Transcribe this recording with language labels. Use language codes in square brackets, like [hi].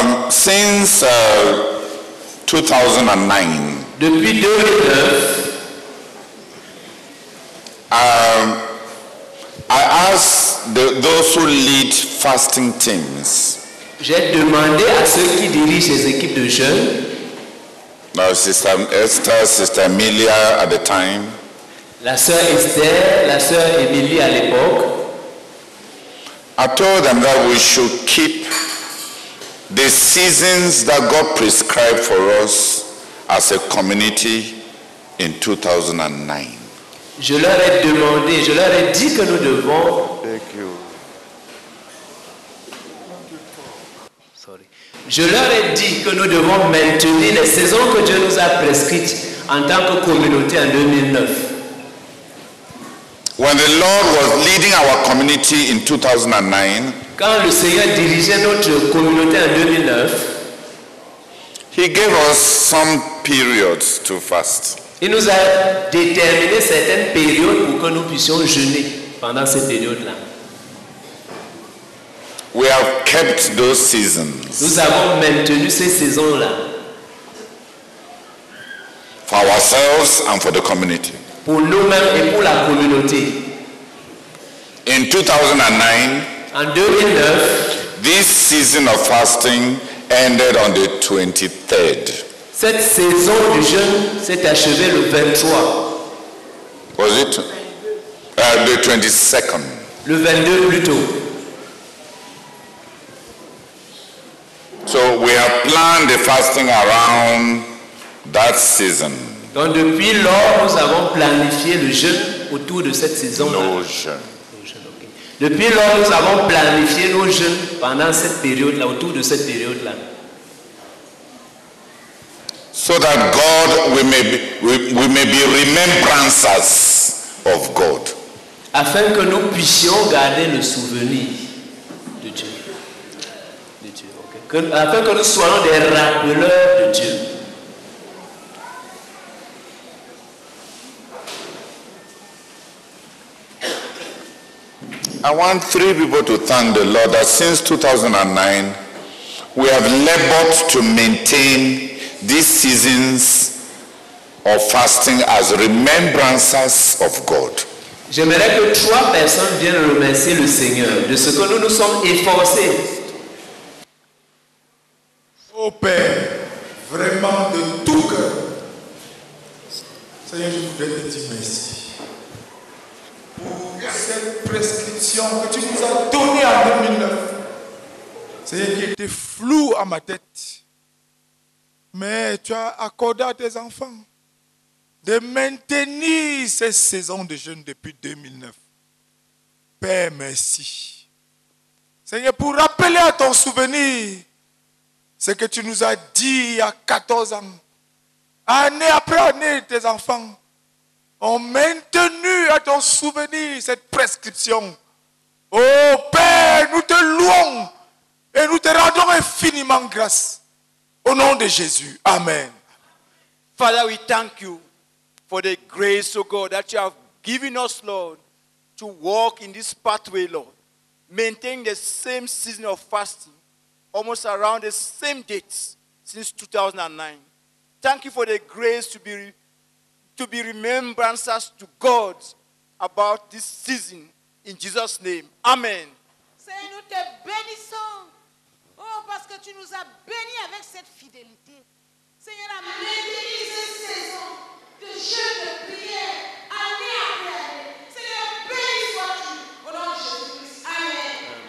[en] Since 2009. [fr] Depuis 2009. [en] I asked those who lead fasting teams. [fr] J'ai demandé à ceux qui dirigent les équipes de jeûne. [en] Now, Sister Esther, Sister Emilia at the time. [fr] La sœur Esther, la sœur Emilia à l'époque. [en] I told them that we should keep the seasons that God prescribed for us as a community in 2009. [fr] Je leur ai demandé, je leur ai dit que nous devons. [en] Thank you. Sorry. [fr] Je leur ai dit que nous devons maintenir les saisons que Dieu nous a prescrites en tant que communauté en 2009. [en] When the Lord was leading our community in 2009, [fr] quand le Seigneur dirigeait notre communauté en 2009, [en] He gave us some periods to fast. [fr] Il nous a déterminé certaines périodes pour que nous puissions jeûner pendant ces périodes-là. [en] We have kept those seasons. [fr] Nous avons maintenu ces saisons-là. [en] For ourselves and for the community. [fr] Pour nous-mêmes et pour la communauté. [en] In 2009, [fr] en 2009, [en] this season of fasting ended on the 23rd. [fr] Cette saison du jeûne s'est achevée le 23. [en] Was it? The 22nd. [fr] Le 22 plutôt. [en] So we have planned the fasting around that season. [fr] Donc depuis lors, nous avons planifié le jeûne autour de cette saison-là. Nos jeûnes. Depuis lors, nous avons planifié nos jeûnes pendant cette période-là, autour de cette période-là. [en] So that God, we may be remembrances of God. [fr] Afin que nous puissions garder le souvenir de Dieu. Afin que nous soyons des rappeleurs de Dieu. I want three people to thank the Lord that since 2009, we have labored to maintain these seasons of fasting as remembrances of God. J'aimerais que trois personnes viennent remercier le Seigneur de ce que nous nous sommes efforcés. Ô Père, vraiment de tout cœur, Seigneur, je voudrais te dire merci. Cette prescription que tu nous as donnée en 2009, Seigneur, qui était floue à ma tête, mais tu as accordé à tes enfants de maintenir ces saisons de jeûne depuis 2009. Père, merci. Seigneur, pour rappeler à ton souvenir ce que tu nous as dit il y a 14 ans, année après année, tes enfants ont maintenu à ton souvenir cette prescription. Ô Père, nous te louons et nous te rendons infiniment grâce. Au nom de Jésus. Amen. [en] Father, we thank you for the grace, O God, that you have given us, Lord, to walk in this pathway, Lord. Maintain the same season of fasting almost around the same dates since 2009. Thank you for the grace to be remembrances to God about this season. In Jesus' name, amen. [fr] Seigneur, nous te bénissons. Oh, parce que tu nous as bénis avec cette fidélité. Seigneur, la bénisse cette saison de jeûne de prière, année après année. Seigneur, béni sois-tu au nom de Jésus-Christ. Amen.